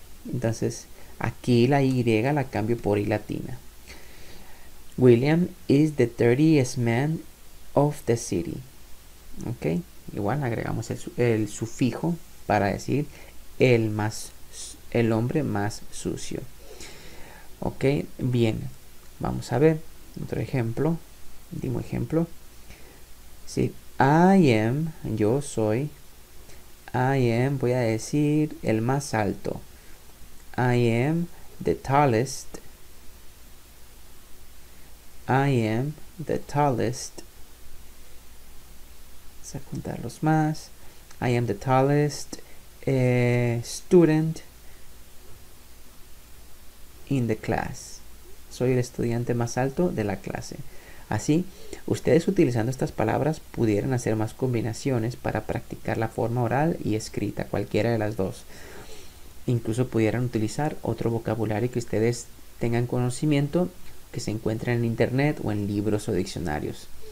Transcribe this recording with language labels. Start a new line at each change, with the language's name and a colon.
Spanish: Entonces, aquí la Y la cambio por I latina.
English: William is the dirtiest man of the city.
Spanish: Ok, igual agregamos el sufijo para decir el hombre más sucio. Ok, bien, vamos a ver otro ejemplo. Último ejemplo. Sí, yo soy, voy a decir el más alto.
English: I am the tallest. I am the tallest.
Spanish: Vamos a contar los más.
English: I am the tallest student in the class.
Spanish: Soy el estudiante más alto de la clase. Así, ustedes utilizando estas palabras pudieran hacer más combinaciones para practicar la forma oral y escrita, cualquiera de las dos. Incluso pudieran utilizar otro vocabulario que ustedes tengan conocimiento, que se encuentra en internet o en libros o diccionarios.